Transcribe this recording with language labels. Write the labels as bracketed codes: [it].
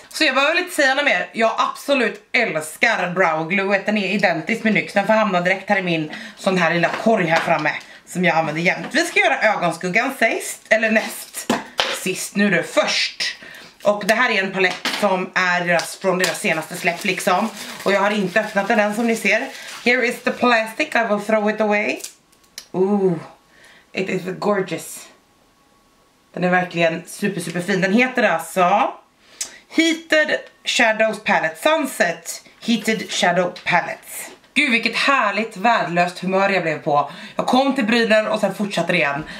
[sv] Så jag behöver lite säga något mer, jag absolut älskar Brow Glue, den är identisk med NYX. Den får hamna direkt här i min sån här lilla korg här framme, som jag använder jämt. Vi ska göra ögonskuggan sist, eller näst sist, nu är det först. Och det här är en palett som är deras, från deras senaste släpp liksom. Och jag har inte öppnat den än som ni ser. [en] Here is the plastic, I will throw it away. Ooh, it is gorgeous. [sv] Den är verkligen super fin. Den heter alltså Heated Shadows Palette, Sunset Heated Shadow Palette. Gud vilket härligt, värdelöst humör jag blev på. Jag kom till brynen och sen fortsatte igen.